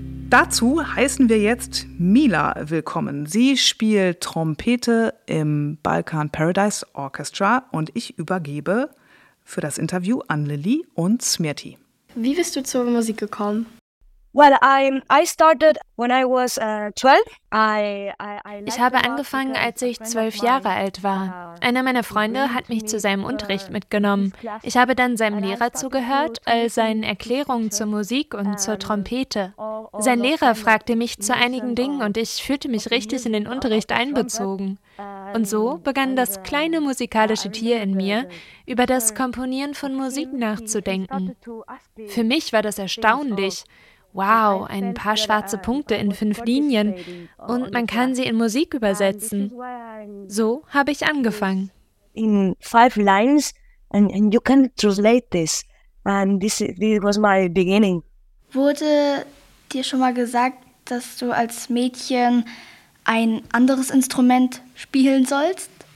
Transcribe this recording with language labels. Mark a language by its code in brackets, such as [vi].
[de] Dazu heißen wir jetzt Mila willkommen. Sie spielt Trompete im Balkan Paradise Orchestra und ich übergebe für das Interview an Lili und Smirti. Wie bist du zur Musik gekommen? [en] Well, I started when I was 12. [de] Ich habe angefangen, als ich 12 Jahre alt war. Einer meiner Freunde hat mich zu seinem Unterricht mitgenommen. Ich habe dann seinem Lehrer zugehört, all seinen Erklärungen zur Musik und zur Trompete. Sein Lehrer fragte mich zu einigen Dingen und ich fühlte mich richtig in den Unterricht einbezogen. Und so begann das kleine musikalische Tier in mir, über das Komponieren von Musik nachzudenken. Für mich war das erstaunlich. Wow, ein paar schwarze Punkte in 5 Linien und man kann sie in Musik übersetzen. So habe ich angefangen. [en] In 5 lines and you can translate this. And this was my beginning. [de] Wurde dir schon mal gesagt, dass du als Mädchen ein anderes Instrument spielen sollst?